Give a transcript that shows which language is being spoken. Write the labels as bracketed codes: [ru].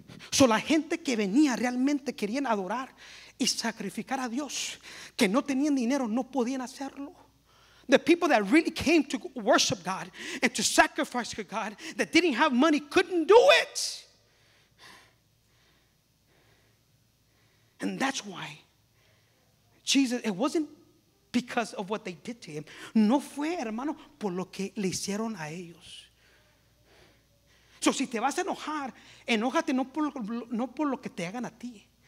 [es] So la gente que venía realmente querían adorar y sacrificar a Dios, que no tenían dinero, no podían hacerlo. [en] The people that really came to worship God and to sacrifice to God that didn't have money couldn't do it. And that's why Jesus, it wasn't because of what they did to him. [es] No fue, hermano, por lo que le hicieron a ellos. So si te vas a enojar, enójate no por lo que te hagan a ti.